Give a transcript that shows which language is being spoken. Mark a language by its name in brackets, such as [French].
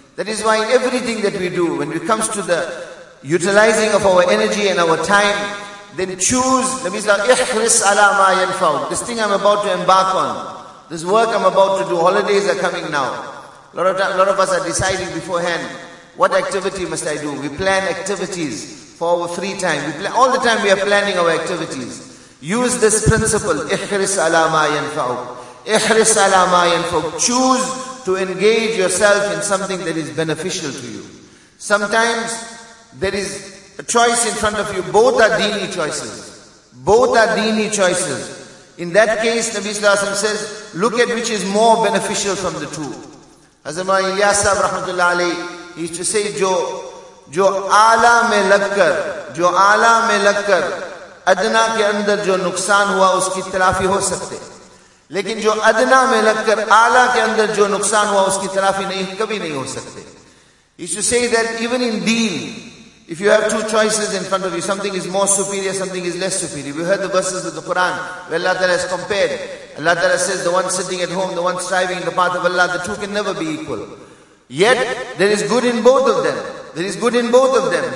[English] That is why everything that we do, when it comes to the utilizing of our energy and our time, then choose, that means like, [Arabic] إِحْرِسْ عَلَى مَا يَنْفَعُ. [English] This thing I'm about to embark on, this work I'm about to do, holidays are coming now. A lot of us are deciding beforehand, what activity must I do? We plan activities for our free time. All the time we are planning our activities. Use this principle, [Arabic] إِحْرِسْ عَلَى مَا يَنْفَعُ. إِحْرِسْ عَلَى مَا يَنْفَعُ. [English] Choose to engage yourself in something that is beneficial to you. Sometimes there is a choice in front of you. Both are deeni choices. Both are deeni choices. In that case, Nabi Sallallahu Alaihi Wasallam says, look at which is more beneficial from the two. Hazrat Ilyas Sahab, rahmatullah alayhi, he used to say, jo [Urdu] جو آلہ میں لگ کر جو آلہ میں لگ کر ادنا کے اندر جو نقصان ہوا اس کی تلافی ہو سکتے, لیکن جو ادنا میں لگ کر آلہ کے اندر جو نقصان ہوا اس کی تلافی نہیں کبھی نہیں ہو سکتے. [English] You should say that even in deen, if you have two choices in front of you, something is more superior, something is less superior. We heard the verses of the Quran where Allah Ta'ala has compared. Allah Ta'ala says the one sitting at home, the one striving in the path of Allah, the two can never be equal. Yet, there is good in both of them. There is good in both of them.